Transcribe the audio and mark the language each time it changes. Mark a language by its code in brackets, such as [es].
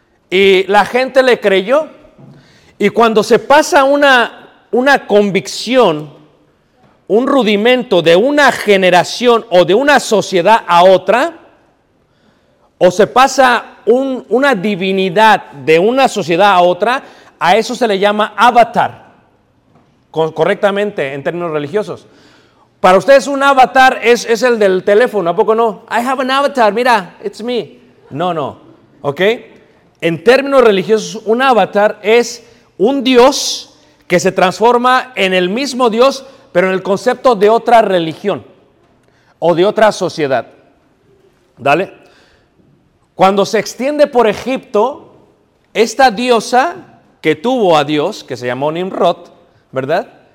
[es] Y la gente le creyó. Y cuando se pasa una convicción, un rudimento de una generación o de una sociedad a otra, o se pasa una divinidad de una sociedad a otra, a eso se le llama avatar, correctamente en términos religiosos. Para ustedes un avatar es el del teléfono, ¿a poco no? [en] I have an avatar, [es] mira, [en] it's me. [es] No, ¿ok? En términos religiosos, un avatar es un dios que se transforma en el mismo dios, pero en el concepto de otra religión o de otra sociedad. ¿Dale? Cuando se extiende por Egipto, esta diosa que tuvo a Dios, que se llamó Nimrod, ¿verdad?